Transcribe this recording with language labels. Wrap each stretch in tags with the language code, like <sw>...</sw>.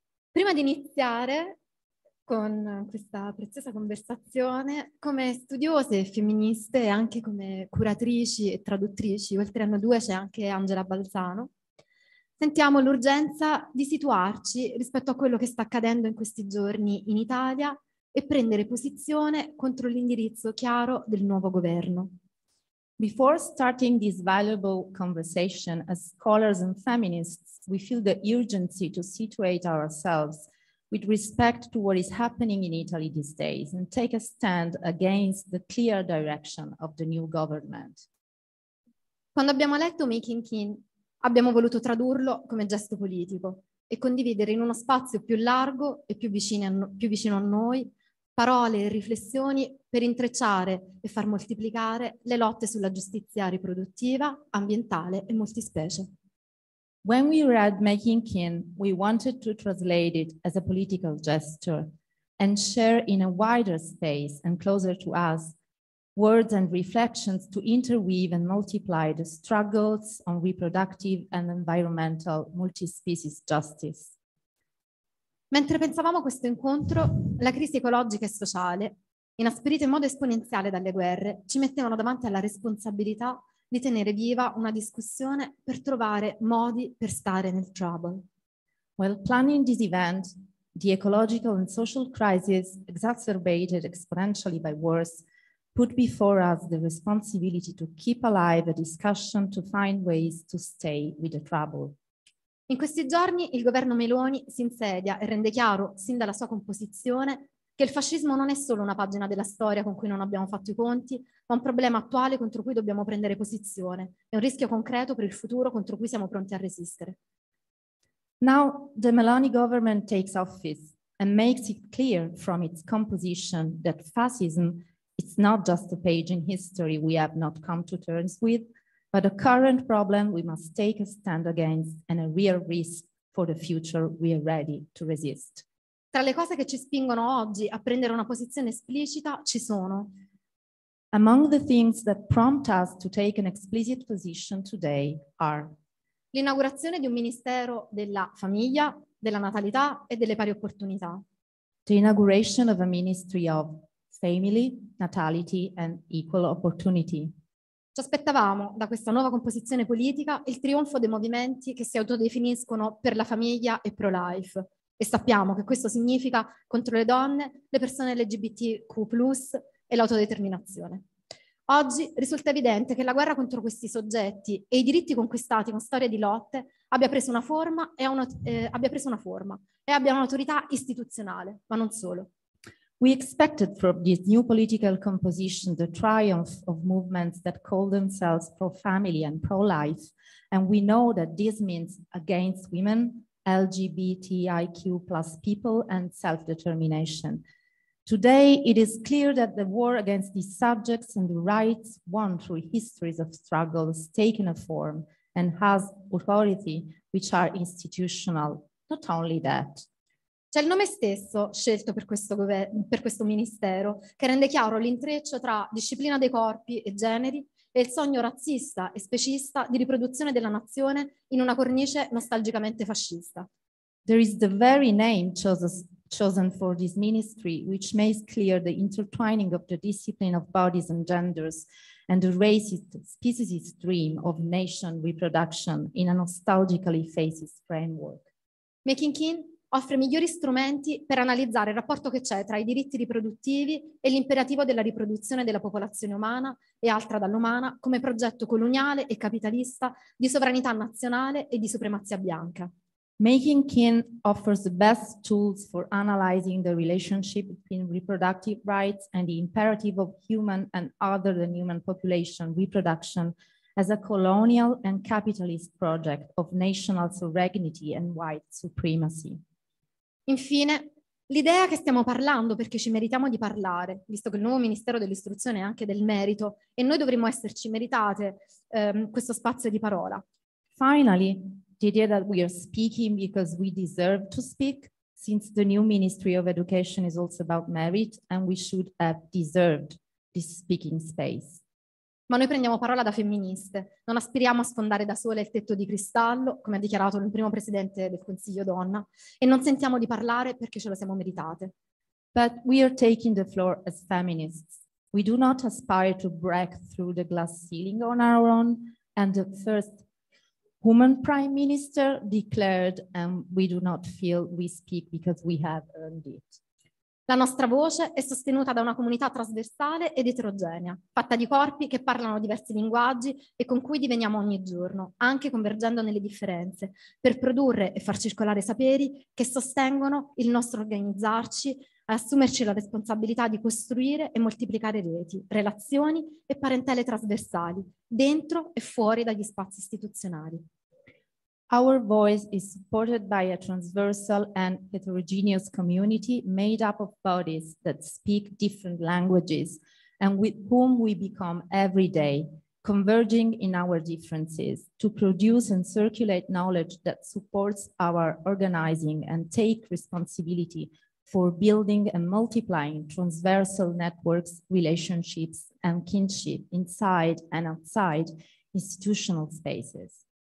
<it>Prima di iniziare con questa preziosa conversazione, come studiose femministe e anche come curatrici e traduttrici, oltre a noi due c'è anche Angela Balzano, sentiamo l'urgenza di situarci rispetto a quello che sta accadendo in questi giorni in Italia e prendere posizione contro l'indirizzo chiaro del nuovo governo.</it> <en>Before starting this valuable conversation, as scholars and feminists, we feel the urgency to situate ourselves with respect to what is happening in Italy these days and take a stand against the clear direction of the new government.</en> <it>Quando abbiamo letto Making Kin, abbiamo voluto tradurlo come gesto politico e condividere in uno spazio più largo e più vicino a noi parole e riflessioni per intrecciare e far moltiplicare le lotte sulla giustizia riproduttiva, ambientale e multispecie.</it> <en>When we read Making Kin, we wanted to translate it as a political gesture and share in a wider space and closer to us words and reflections to interweave and multiply the struggles on reproductive and environmental multispecies justice.</en> <it>Mentre pensavamo a questo incontro, la crisi ecologica e sociale, inasprita in modo esponenziale dalle guerre, ci mettevano davanti alla responsabilità di tenere viva una discussione per trovare modi per stare nel trouble.</it> <en>While planning this event, the ecological and social crisis, exacerbated exponentially by wars, put before us the responsibility to keep alive a discussion to find ways to stay with the trouble.</en> <it>In questi giorni il governo Meloni si insedia e rende chiaro, sin dalla sua composizione, che il fascismo non è solo una pagina della storia con cui non abbiamo fatto i conti, ma un problema attuale contro cui dobbiamo prendere posizione. È un rischio concreto per il futuro contro cui siamo pronti a resistere.</it> <en>Now the Meloni government takes office and makes it clear from its composition that fascism is not just a page in history we have not come to terms with, but a current problem we must take a stand against and a real risk for the future we are ready to resist.</en> <it>Tra le cose che ci spingono oggi a prendere una posizione esplicita ci sono.</it> <en>Among the things that prompt us to take an explicit position today are</en> <it>l'inaugurazione di un ministero della famiglia, della natalità e delle pari opportunità.</it> <en>The inauguration of a ministry of family, natality and equal opportunity.</en> <it>Ci aspettavamo da questa nuova composizione politica il trionfo dei movimenti che si autodefiniscono per la famiglia e pro-life. E sappiamo che questo significa contro le donne, le persone LGBTQ+, e l'autodeterminazione. Oggi risulta evidente che la guerra contro questi soggetti e i diritti conquistati con storie di lotte abbia preso una forma e abbia un'autorità istituzionale, ma non solo.</it> <en>We expected from this new political composition the triumph of movements that call themselves pro-family and pro-life, and we know that this means against women, LGBTIQ+ people and self-determination. Today, it is clear that the war against these subjects and the rights won through histories of struggles taken a form and has authority which are institutional. Not only that.</en> <it>C'è il nome stesso scelto per questo governo, per questo ministero, che rende chiaro l'intreccio tra disciplina dei corpi e generi e il sogno razzista e specista di riproduzione della nazione in una cornice nostalgicamente fascista.</it> <en>There is the very name chosen for this ministry, which makes clear the intertwining of the discipline of bodies and genders and the racist speciesist dream of nation reproduction in a nostalgically fascist framework.</en> <it>Making kin offre migliori strumenti per analizzare il rapporto che c'è tra i diritti riproduttivi e l'imperativo della riproduzione della popolazione umana e altra dall'umana come progetto coloniale e capitalista di sovranità nazionale e di supremazia bianca.</it> <en>Making kin offers the best tools for analyzing the relationship between reproductive rights and the imperative of human and other than human population reproduction as a colonial and capitalist project of national sovereignty and white supremacy.</en> <it>Infine, l'idea che stiamo parlando perché ci meritiamo di parlare, visto che il nuovo Ministero dell'Istruzione è anche del merito e noi dovremmo esserci meritate questo spazio di parola.</it> <en>Finally, the idea that we are speaking because we deserve to speak, since the new Ministry of Education is also about merit and we should have deserved this speaking space.</en> <it>Ma noi prendiamo parola da femministe, non aspiriamo a sfondare da sole il tetto di cristallo, come ha dichiarato il primo presidente del Consiglio Donna, e non sentiamo di parlare perché ce lo siamo meritate.</it> <en>But we are taking the floor as feminists. We do not aspire to break through the glass ceiling on our own, and the first woman prime minister declared, and we do not feel we speak because we have earned it.</en> <it>La nostra voce è sostenuta da una comunità trasversale ed eterogenea, fatta di corpi che parlano diversi linguaggi e con cui diveniamo ogni giorno, anche convergendo nelle differenze, per produrre e far circolare saperi che sostengono il nostro organizzarci e assumerci la responsabilità di costruire e moltiplicare reti, relazioni e parentele trasversali, dentro e fuori dagli spazi istituzionali.</it> <en>Our voice is supported by a transversal and heterogeneous community made up of bodies that speak different languages and with whom we become every day, converging in our differences to produce and circulate knowledge that supports our organizing and take responsibility for building and multiplying transversal networks, relationships, and kinship inside and outside institutional spaces.</en>